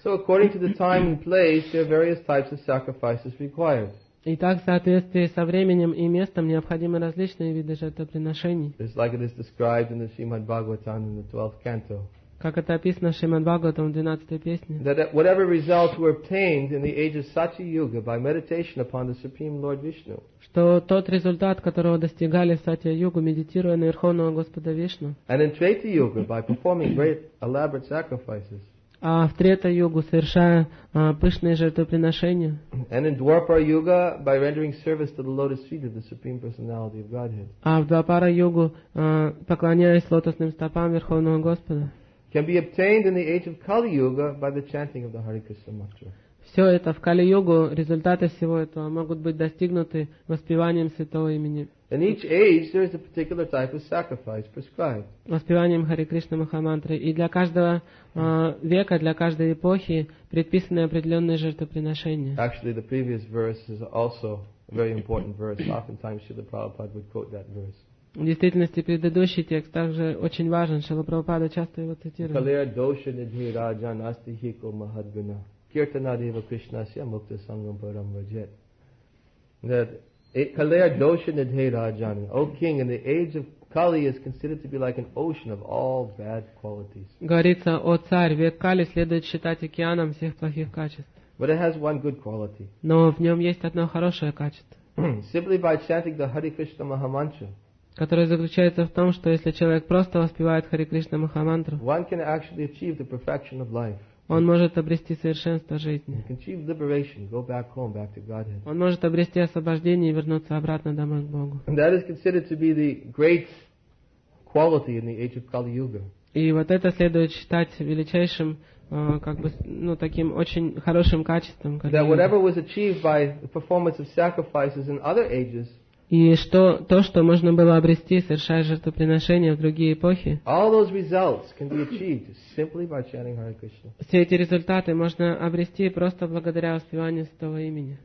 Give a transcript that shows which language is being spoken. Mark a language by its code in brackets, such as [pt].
[en] So according to the time and place, there are various types of sacrifices required. [ru] Итак, в соответствии со временем и местом необходимы различные виды жертвоприношений. [en] It's like it is described in the Srimad Bhagavatam in the 12th canto. [ru] Как это описано в Шримад Бхагаватам в 12-й песне. [en] That whatever results were obtained in the age of Satya Yuga by meditation upon the Supreme Lord Vishnu. [ru] Что тот результат, которого достигали в Сатья Югу, медитируя на Верховного Господа Вишну. [en] And in Трета Юга by performing great elaborate sacrifices. [ru] А в Трета Югу, совершая пышные жертвоприношения. [en] And in Двапара Юга by rendering service to the lotus feet of the Supreme Personality of Godhead. [ru] А в Двапара Югу, поклоняясь лотосным стопам Верховного Господа. [en] Can be obtained in the age of Kali Yuga by the chanting of the Hare Krishna Mantra. [ru] Все это в Кали Югу, результаты всего этого могут быть достигнуты воспеванием святого имени. [en] In each age there is a particular type of sacrifice prescribed. [ru] Воспеванием Хари Кришна Махамантры, и для каждого века, для каждой эпохи предписаны определенные жертвоприношения. [en] Actually, the previous verse is also a very important verse. Oftentimes, Srila Prabhupada would quote that verse. [ru] В действительности, предыдущий текст также очень важен. Шрила Прабхупада часто его цитирует. [sa] Калия доша нидхи раджа насти хико махадгуна киртана дева кришна сия мукта сангам парам ваджет. Калия доша нидхи раджа. [en] O king, in the age of Kali is considered to be like an ocean of all bad qualities. [ru] Говорится, о царь, век Кали следует считать океаном всех плохих качеств. [en] But it has one good quality. [ru] Но в нем есть одно хорошее качество. [en] Simply by chanting the Hare Krishna Mahamantra, [ru] которая заключается в том, что если человек просто воспевает Хари Кришна Махамантру, [en] one can actually achieve the perfection of life. [ru] Он может обрести совершенство жизни. [en] He can achieve liberation, go back home, back to Godhead. [ru] Он может обрести освобождение и вернуться обратно домой к Богу. [en] And that is considered to be the great quality in the age of Kali Yuga. [ru] И вот это следует считать величайшим, как бы, ну, таким очень хорошим качеством. [en] That whatever was achieved by the performance of sacrifices in other ages, [ru] и что то, что можно было обрести, совершая жертвоприношения в другие эпохи, все эти результаты можно обрести просто благодаря воспеванию святого имени.